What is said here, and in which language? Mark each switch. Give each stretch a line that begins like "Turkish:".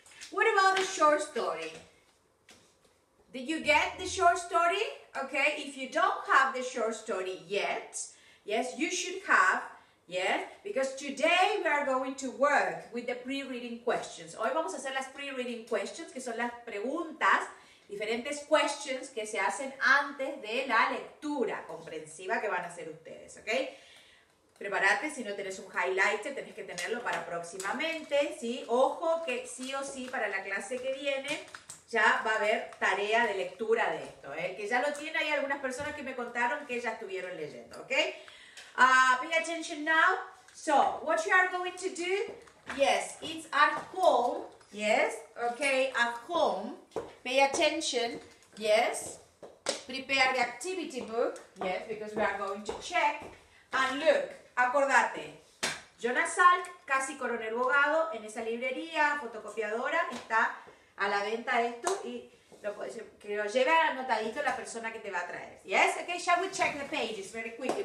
English: What about the short story? Did you get the short story? Okay, if you don't have the short story yet, yes, you should have. Yes, because today we are going to work with the pre-reading questions.
Spanish: Hoy vamos a hacer las pre-reading questions, que son las preguntas, diferentes questions que se hacen antes de la lectura comprensiva que van a hacer ustedes, ¿ok? Prepárate, si no tenés un highlighter, tenés que tenerlo para próximamente, ¿sí? Ojo que sí o sí para la clase que viene ya va a haber tarea de lectura de esto, ¿eh? Que ya lo tiene, hay algunas personas que me contaron que ya estuvieron leyendo, ¿ok?
English: Pay attention now. So, what you are going to do? Yes, it's at home. Yes, okay, at home. Pay attention. Yes, prepare the activity book. Yes, because we are going to check. And look,
Spanish: acordate. Jonas Salk, casi coronel abogado, en esa librería, fotocopiadora, está a la venta esto y lo puedes, que lo lleve anotadito la persona que te va a traer.
English: Yes, okay, shall we check the pages very quickly?